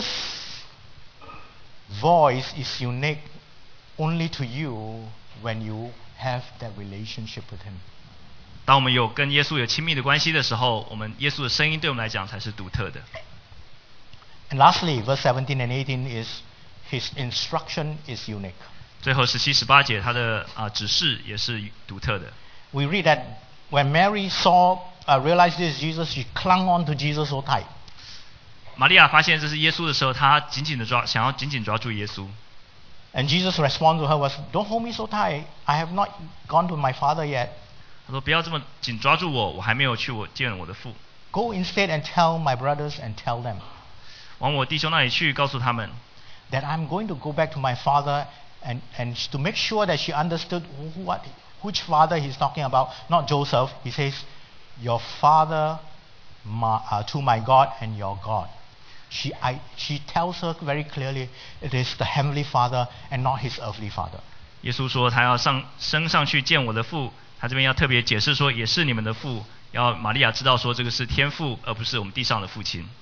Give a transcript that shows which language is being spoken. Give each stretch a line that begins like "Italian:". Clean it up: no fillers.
English: Jesus' voice is unique only to you when you have that relationship with Him.
Chinese: 当我们有跟耶稣有亲密的关系的时候，我们耶稣的声音对我们来讲才是独特的。
English: And lastly, verse 17 and 18 is. His instruction is unique.
Chinese: 最后十七十八节，他的指示也是独特的。
English: We read that when Mary realized this Jesus, she clung on to Jesus so tight.
Chinese: 玛利亚发现这是耶稣的时候，她紧紧的抓，想要紧紧抓住耶稣。
English: And Jesus' response to her was, "Don't hold me so tight. I have not gone to my Father yet."
Chinese: 他说不要这么紧抓住我，我还没有去我见我的父。
English: Go instead and tell my brothers and tell them，
Chinese: 往我弟兄那里去告诉他们，
English: that I'm going to go back to my father and to make sure that she understood which father he's talking about， not Joseph， he says your father to my God and your God。 She tells her very clearly, it is the heavenly father and not his earthly father.
Chinese: 耶稣说他要升上去见我的父，他这边要特别解释说也是你们的父，要玛利亚知道说这个是天父，而不是我们地上的父亲。